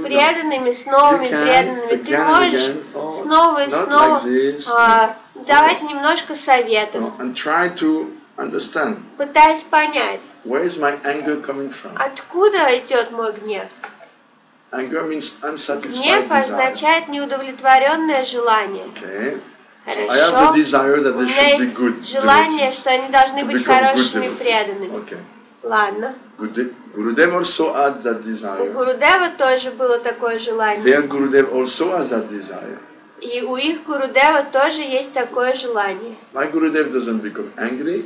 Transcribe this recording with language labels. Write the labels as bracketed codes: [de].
[ru] с преданными, с новыми преданными, ты можешь снова и снова давать немножко советов. [en] No, and try to understand. [ru] Пытаясь понять. [en] Where is my anger coming from? [ru] Откуда идет мой гнев? [en] Anger means unsatisfied [ru] гнев означает неудовлетворенное желание. [en] Okay. So I have the desire that they should be good. [ru] Желание, что они должны быть хорошими преданными. Ладно. [en] Gurudev also had that desire. [ru] У Гурудева тоже было такое желание. [en] Their Gurudev also has that desire. [ru] И у их Гурудева тоже есть такое желание. [en] My Gurudev doesn't become angry.